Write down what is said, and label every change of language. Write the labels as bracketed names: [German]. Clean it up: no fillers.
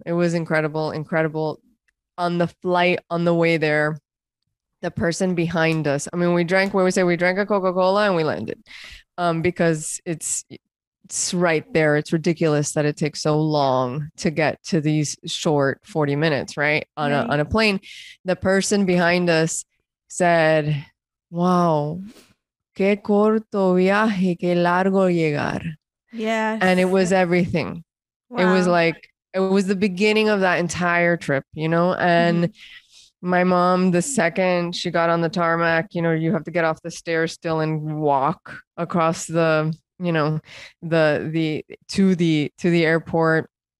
[English] It was incredible, incredible. On the flight, on the way there, the person behind us, I mean, we drank a Coca-Cola and we landed. Because it's right there. It's ridiculous that it takes so long to get to these short 40 minutes, right? On a plane. The person behind us said, wow, [Spanish] qué corto viaje, qué largo llegar. [English] Yes. And it was everything. Wow. It was like, it was the beginning of that entire trip, you know? And my mom, the second she got on the tarmac, you know, you have to get off the stairs still and walk across the, you know, to the airport.